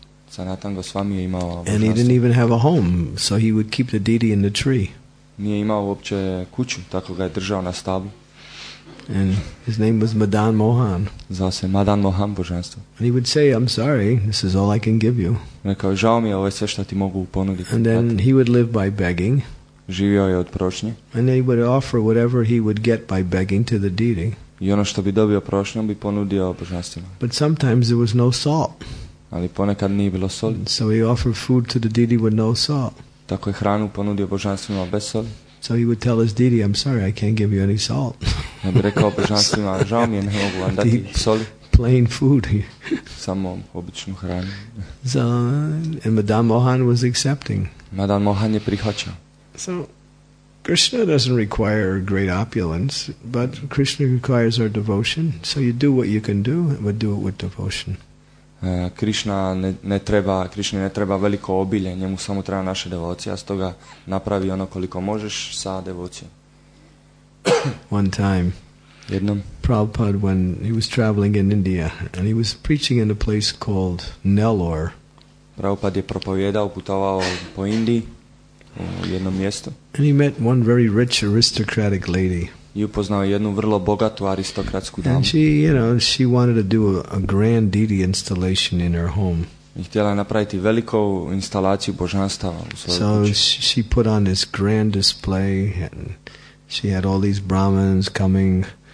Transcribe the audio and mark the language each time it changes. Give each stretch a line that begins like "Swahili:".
Croatian: Sanatan Goswami je imao božanstvo.
English: And he didn't even have a home, so he would keep the deity in the tree.
Croatian: Nije imao uopće kuću, tako ga je držao na stablu.
English: And his name was Madan Mohan.
Croatian: Zvao se Madan Mohan božanstvo.
English: And he would say, I'm sorry, this is all I can give you.
Croatian: Rekao, žao mi je, ovo je sve što ti mogu ponuditi.
English: And then he would live by begging.
Croatian: Živio je od prošnje.
English: And he would offer whatever he would get by begging to the deity.
Croatian: I ono što bi dobio prošnjom bi ponudio božanstvima.
English: But sometimes there was no salt.
Croatian: Ali ponekad nije bilo soli.
English: And so he offered food to the deity with no salt.
Croatian: Tako je hranu ponudio božanstvima bez soli.
English: So he would tell his deity, I'm sorry, I can't give you any salt.
Croatian: Ja bih rekao božanstvima, žao mi je, ne mogu vam dati soli.
English: Plain food.
Croatian: Samo običnu hranu.
English: So, and Madan Mohan was accepting.
Croatian: Madan Mohan je prihvaćao.
English: So, Krishna doesn't require great opulence, but Krishna requires our devotion. So you do what you can do, but do it with devotion.
Croatian: Krishna ne treba veliko obilje, njemu samo treba naša devocija, stoga napravi ono koliko možeš sa devocijom.
English: One time,
Croatian: jednom,
English: Prabhupada, when he was traveling in India, and he was preaching in a place called Nellore.
Croatian: Prabhupada je propovjedao, putovao po Indiji, u jedno mjesto.
English: And he met one very rich aristocratic lady.
Croatian: I upoznao jednu vrlo bogatu aristokratsku damu.
English: And she, you know, she wanted to do a grand deity installation in her home.
Croatian: I htjela napraviti veliku instalaciju božanstava u svojoj kući.
English: So she put on this grand display and she had all these brahmins coming.